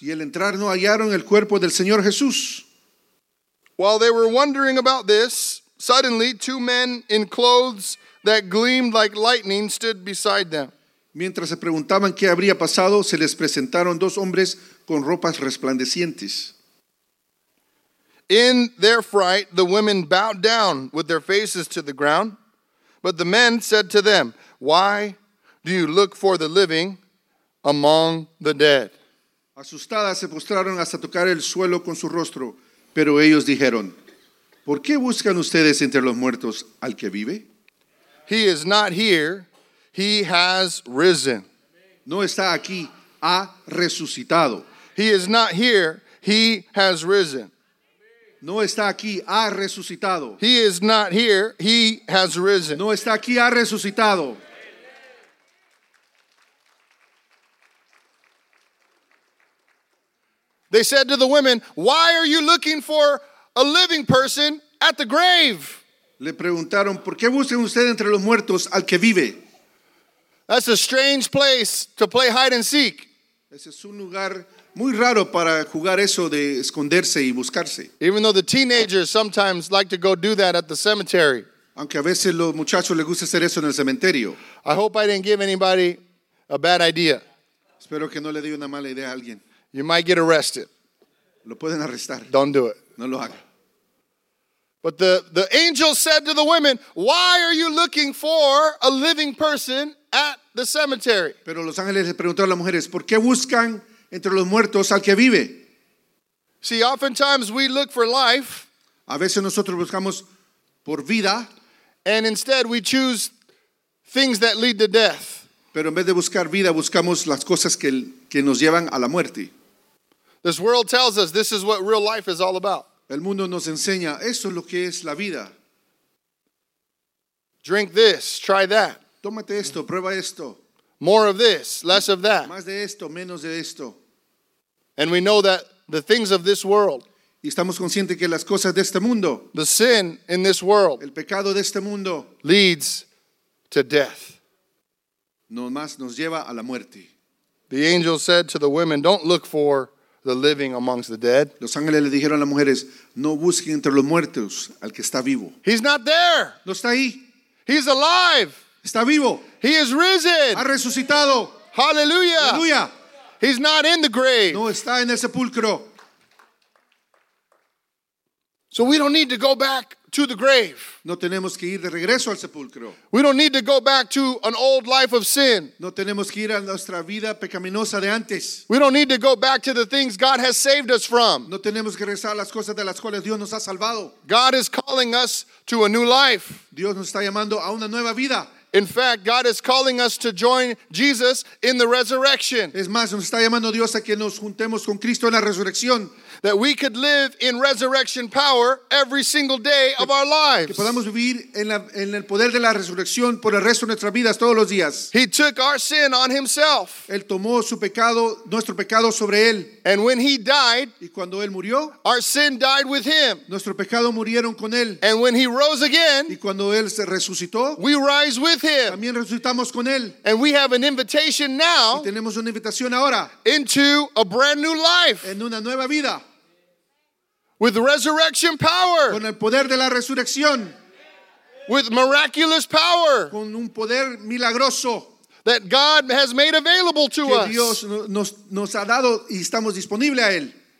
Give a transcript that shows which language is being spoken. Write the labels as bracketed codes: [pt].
[es] Y al entrar no hallaron el cuerpo del Señor Jesús. [en] While they were wondering about this, suddenly two men in clothes that gleamed like lightning stood beside them. [es] Mientras se preguntaban qué habría pasado, se les presentaron dos hombres con ropas resplandecientes. [en] In their fright, the women bowed down with their faces to the ground. But the men said to them, "Why do you look for the living among the dead?" [es] Asustadas, se postraron hasta tocar el suelo con su rostro. Pero ellos dijeron, "¿Por qué buscan ustedes entre los muertos al que vive? [en] He is not here. He has risen. [es] No está aquí. Ha resucitado. [en] He is not here. He has risen. [es] No está aquí, ha resucitado. [en] He is not here, he has risen. [es] No está aquí, ha resucitado. [en] They said to the women, "Why are you looking for a living person at the grave?" [es] Le preguntaron, "¿Por qué buscan ustedes entre los muertos al que vive?" [en] That's a strange place to play hide and seek. [es] Ese es un lugar muy raro para jugar eso de esconderse y buscarse. [en] Even though the teenagers sometimes like to go do that at the cemetery. [es] Aunque a veces los muchachos les gusta hacer eso en el cementerio. [en] I hope I didn't give anybody a bad idea. [es] Espero que no le di una mala idea a alguien. [en] You might get arrested. [es] Lo pueden arrestar. [en] Don't do it. [es] No lo haga. [en] But the angel said to the women, "Why are you looking for a living person at the cemetery?" [es] Pero los ángeles le preguntaron a las mujeres, "¿Por qué buscan entre los muertos al que vive?" [en] See, oftentimes we look for life. [es] A veces nosotros buscamos por vida, [en] and instead we choose things that lead to death. [es] Pero en vez de buscar vida, buscamos las cosas que nos llevan a la muerte. [en] This world tells us this is what real life is all about. [es] El mundo nos enseña, eso es lo que es la vida. [en] Drink this, try that. [es] Tómate esto, prueba esto. [en] More of this, less of that. [es] Más de esto, menos de esto. [en] And we know that the things of this world, [es] y estamos conscientes que las cosas de este mundo, [en] the sin in this world, [es] el pecado de este mundo, [en] leads to death. [es] Nomás nos lleva a la muerte. [en] The angel said to the women, don't look for the living amongst the dead. [es] Los ángeles le dijeron a las mujeres, no busquen entre los muertos al que está vivo. [en] He's not there. [es] No está ahí. [en] He's alive. [es] Está vivo. [en] He is risen. [es] Ha resucitado. [en] Hallelujah. [es] Hallelujah. [en] He's not in the grave. [es] No está en el sepulcro. [en] So we don't need to go back to the grave. [es] No tenemos que ir de regreso al sepulcro. [en] We don't need to go back to an old life of sin. [es] No tenemos que ir a nuestra vida pecaminosa de antes. [en] We don't need to go back to the things God has saved us from. [es] No tenemos que regresar a las cosas de las cuales Dios nos ha salvado. [en] God is calling us to a new life. [es] Dios nos está llamando a una nueva vida. [en] In fact, God is calling us to join Jesus in the resurrection. [es] Es más, nos está llamando Dios a que nos juntemos con Cristo en la resurrección. [en] That we could live in resurrection power every single day of our lives. [es] Que podamos vivir en el poder de la resurrección por el resto de nuestras vidas todos los días. [en] He took our sin on himself. [es] Él tomó su pecado, nuestro pecado sobre él. [en] And when he died, [es] y cuando él murió, [en] our sin died with him. [es] Nuestro pecado murieron con él. [en] And when he rose again, [es] y cuando él se resucitó, [en] we rise with him. [es] También resucitamos con él. [en] And we have an invitation now, [es] y tenemos una invitación ahora, [en] into a brand new life. [es] En una nueva vida. [en] With resurrection power. [es] Con el poder de la resurrección. [en] With miraculous power. [es] Con un poder milagroso. [en] That God has made available to [es] que [en] us. [es] Dios nos ha dado y estamos disponibles a él.